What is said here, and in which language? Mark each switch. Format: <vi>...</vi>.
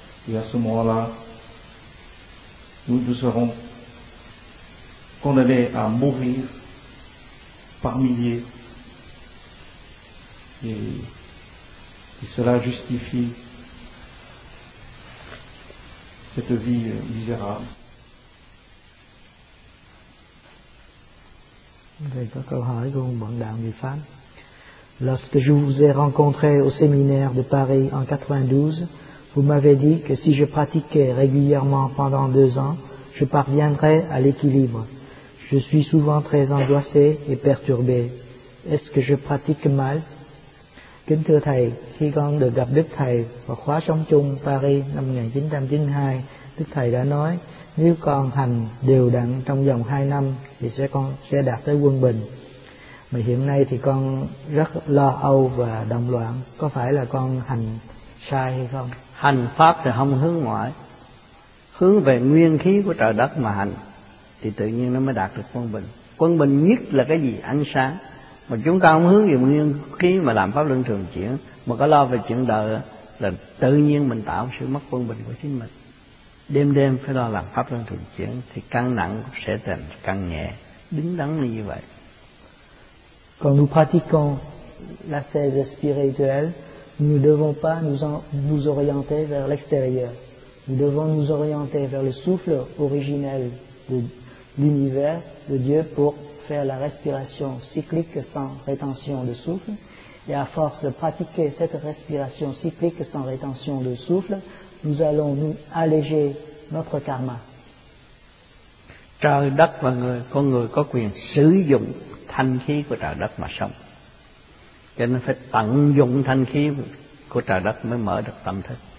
<fr>Et à ce moment-là, nous serons condamnés à mourir par milliers. Et cela justifie cette vie misérable.</fr> <vi>Đây có câu hỏi của ông bạn đạo người Pháp.</vi> <fr>Lorsque je vous ai rencontré au séminaire de Paris en 92, vous m'avez dit que si je pratiquais régulièrement pendant 2 ans, je parviendrais à l'équilibre. Je suis souvent très angoissé et perturbé. Est-ce que je pratique mal?</fr> <vi>Kính thưa Thầy, khi con được gặp Đức Thầy vào khóa sống chung Paris năm 1992, Đức Thầy đã nói, nếu con hành đều đặn trong vòng 2 năm thì con sẽ đạt tới quân bình. Mà hiện nay thì con rất lo âu và động loạn, có phải là con hành sai hay không? Hành pháp thì không hướng ngoại, hướng về nguyên khí của trời đất mà hành, thì tự nhiên nó mới đạt được quân bình. Quân bình nhất là cái gì? Ánh sáng. Mà chúng ta không hướng về nguyên khí mà làm pháp luân thường chuyển, mà có lo về chuyện đời, là tự nhiên mình tạo sự mất quân bình của chính mình. Đêm đêm phải lo làm pháp luân thường chuyển, thì căn nặng sẽ thành căn nhẹ, đứng đắn như vậy.</vi> <fr>Quand nous pratiquons la sagesse spirituelle, nous ne devons pas nous orienter vers l'extérieur. Nous devons nous orienter vers le souffle originel de l'univers, de Dieu, pour faire la respiration cyclique sans rétention de souffle. Et à force de pratiquer cette respiration cyclique sans rétention de souffle, nous allons nous alléger notre karma.</fr> <vi>Trời đất và người, con người có quyền sử dụng thanh khí của trời đất mà sống. Cho nên phải tận dụng thanh khí của trời đất mới mở được tâm thức.</vi>